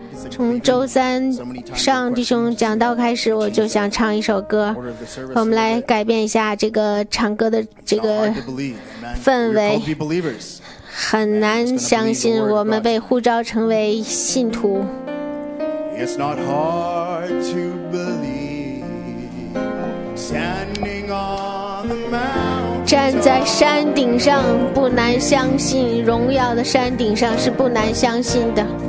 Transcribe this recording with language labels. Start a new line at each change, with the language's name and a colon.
Chinese: 从周三上弟兄讲道开始，我就想唱一首歌。我们来改变一下这个唱歌的这个氛围。很难相信我们被呼召成为信徒。
English: It's not hard to believe. Standing on the mountain.
Chinese: 站在山顶上不难相信，荣耀的山顶上是不难相信的。